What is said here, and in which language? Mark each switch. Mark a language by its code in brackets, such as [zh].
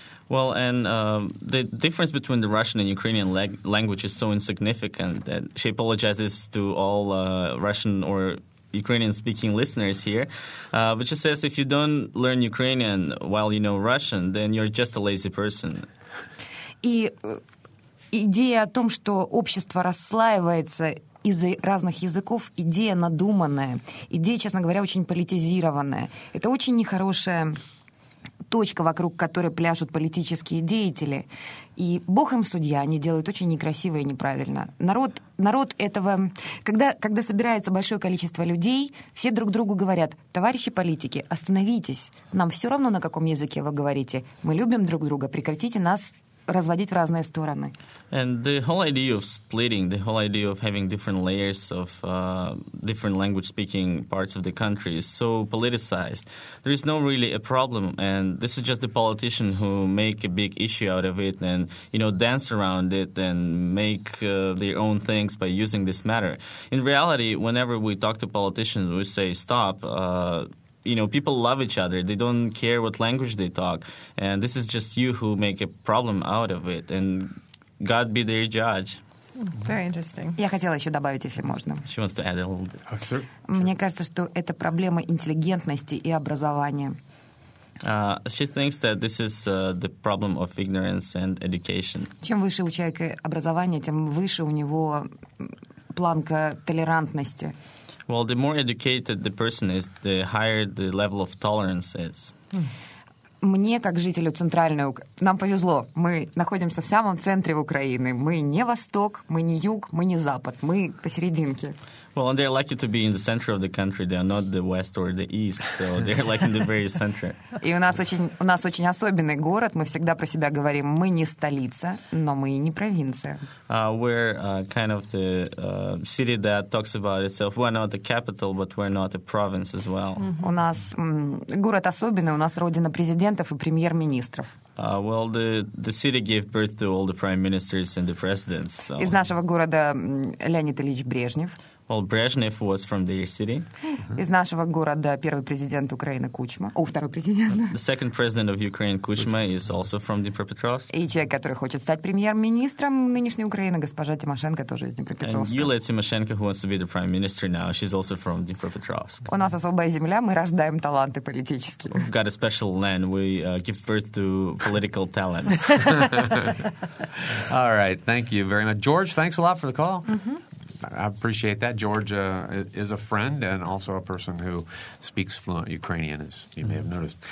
[en] Well, and the difference between the Russian and Ukrainian language is so insignificant that she apologizes to all Russian or Ukrainian-speaking listeners here. But she says if you don't learn Ukrainian while you know Russian, then you're just a lazy person. [ru] И идея о том, что общество расслаивается из-за разных языков, идея надуманная. Идея, честно говоря, очень политизированная. Это очень нехорошая точка, вокруг которой пляшут политические деятели. И бог им судья, они делают очень некрасиво и неправильно. Народ этого... Когда собирается большое количество людей, все друг другу говорят, товарищи политики, остановитесь. Нам все равно, на каком языке вы говорите. Мы любим друг друга, прекратите нас разводить в разные стороны. [en] And the whole idea of splitting, the whole idea of having different layers of different language-speaking parts of the country is so politicized. There is no really a problem, and this is just the politician who make a big issue out of it and, you know, dance around it and make their own things by using this matter. In reality, whenever we talk to politicians, we say, stop, you know, people love each other. They don't care what language they talk. And this is just you who make a problem out of it. And God be their judge. Very interesting. [ru] Я хотела еще добавить, если можно. [en] She wants to add a little bit. Oh, sir. [ru] Мне кажется, что это проблема интеллигентности и образования. [en] She thinks that this is the problem of ignorance and education. [ru] Чем выше у человека образование, тем выше у него планка толерантности. [en] Well, the more educated the person is, the higher the level of tolerance is. [ru] Мне, как жителю центральной Украины, нам повезло. Мы находимся в самом центре Украины. Мы не восток, мы не юг, мы не запад. Мы посерединке. [en] Well, and they're lucky to be in the center of the country. They are not the west or the east, so they're like in the very center. [ru] И у нас очень особенный город. Мы всегда про себя говорим. Мы не столица, но мы и не провинция. [en] We're kind of the city that talks about itself. We're not the capital, but we're not a province as well. Mm-hmm. [ru] У нас город особенный. У нас родина президентов и премьер-министров. [en] Well, the city gave birth to all the prime ministers and the presidents. So. [ru] Из нашего города Леонид Ильич Брежнев. [en] Well, Brezhnev was from their city. Mm-hmm. [ru] Из нашего города первый президент Украины Кучма. О, второй президент. [en] The second president of Ukraine, Kuchma, is also from Dnipropetrovsk. [ru] И человек, который хочет стать премьер-министром нынешней Украины, госпожа Тимошенко, тоже из Днепропетровска. [en] And Yulia Tymoshenko, who wants to be the prime minister now, she's also from Dnipropetrovsk. [ru] У нас особая земля, мы рождаем таланты политические. [en] We've got a special land, we give birth to political talents. All right, thank you very much. George, thanks a lot for the call. Mm-hmm. I appreciate that. George is a friend and also a person who speaks fluent Ukrainian, as you may have noticed.